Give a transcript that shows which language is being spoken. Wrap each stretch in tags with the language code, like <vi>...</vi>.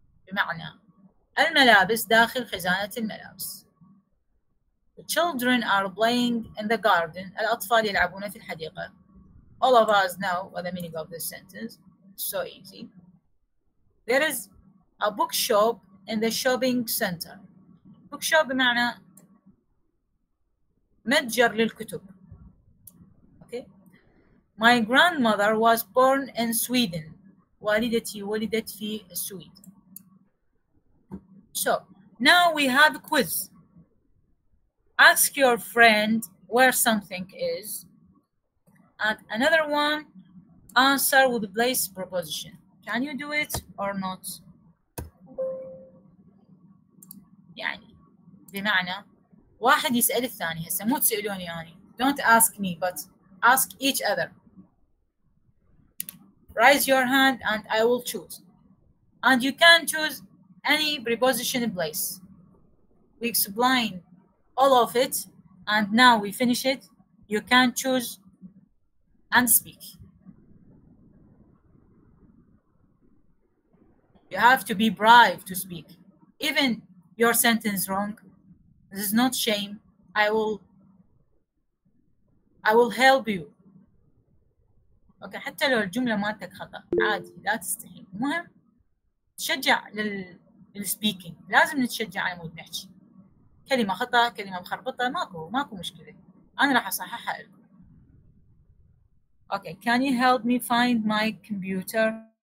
<ar>بمعنى, الملابس داخل خزانة الملابس.</ar> <en>The children are playing in the garden.</en> <ar>الأطفال يلعبون في الحديقة.</ar> <en>All of us know what the meaning of this sentence. So easy. There is a bookshop in the shopping center.</en> <ar>Bookshop بمعنى متجر للكتب.</ar> <en>Okay. My grandmother was born in Sweden.</en> <ar>والدتي ولدت في السويد.</ar> <en>So now we have a quiz. Ask your friend where something is, and another one answer with place preposition. Can you do it or not?</en> <ar>يعني بمعنى واحد يسأل الثاني هسه, مو تسألوني يعني.</ar> <en>Don't ask me, but ask each other. Raise your hand and I will choose. And you can choose any preposition in place. We explain all of it, and now we finish it. You can choose and speak. You have to be brave to speak. Even your sentence wrong, this is not shame. I will help you.</en> <ar>Okay, حتى لو الجملة مالتك خطأ عادي, لا تستحي. المهم تشجع للسبيكينج, لازم نتشجع على مود نحكي. كلمة خطأ, كلمة مخربطة, ماكو مشكلة, أنا راح أصححها لكم.</ar> <en>Okay, can you help me find my computer?</en>